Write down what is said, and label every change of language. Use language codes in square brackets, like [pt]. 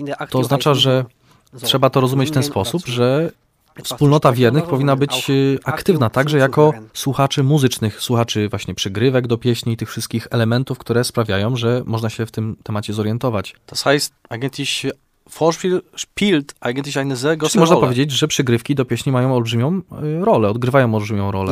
[pl] To oznacza, że trzeba to rozumieć w ten sposób, że wspólnota wiernych powinna być aktywna także jako słuchaczy muzycznych, słuchaczy właśnie przygrywek do pieśni i tych wszystkich elementów, które sprawiają, że można się w tym temacie zorientować. [de] Das heißt, eigentlich Vorspiel spielt eigentlich eine sehr große Rolle. [pl] Można powiedzieć, że przygrywki do pieśni mają olbrzymią rolę, odgrywają olbrzymią rolę.